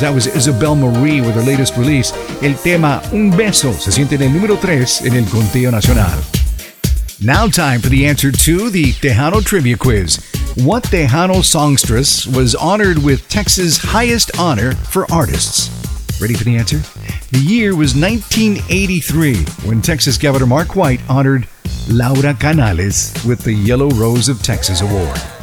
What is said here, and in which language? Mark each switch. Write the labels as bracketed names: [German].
[English] That was Isabel Marie with her latest release. [Spanish] El tema Un Beso se siente en el número 3 en el conteo nacional. [English] Now time for the answer to the Tejano Trivia Quiz. What Tejano songstress was honored with Texas' highest honor for artists? Ready for the answer? The year was 1983 when Texas Governor Mark White honored Laura Canales with the Yellow Rose of Texas Award.